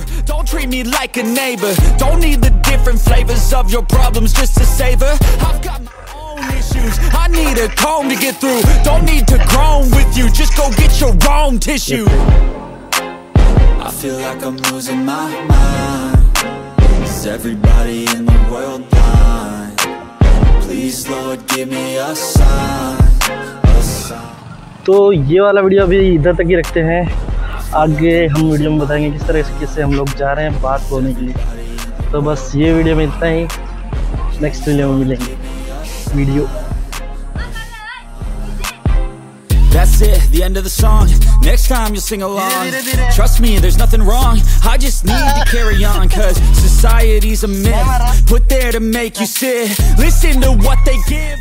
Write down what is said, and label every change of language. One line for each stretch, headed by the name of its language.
English: Don't treat me like a neighbor, don't need the different flavors of your problems just to savor, I've got my own issues, I need a comb to get through, don't need to groan with you, just go get your wrong tissue, I feel like I'm losing my mind, is everybody in the world blind, please Lord give me a sign।
Hindi: तो ये वाला video अभी इधर तक ही रखते हैं, आगे हम वीडियो में बताएंगे किस तरह से किससे हम लोग जा रहे हैं बात बोलने के लिए। तो बस ये वीडियो में इतना ही, नेक्स्ट वीडियो में मिलेंगे video.
English: That's it, the end of the song, next time you'll sing along, trust me there's nothing wrong, I just need to carry on, cause society's a myth, put there to make you sit, listen to what they give.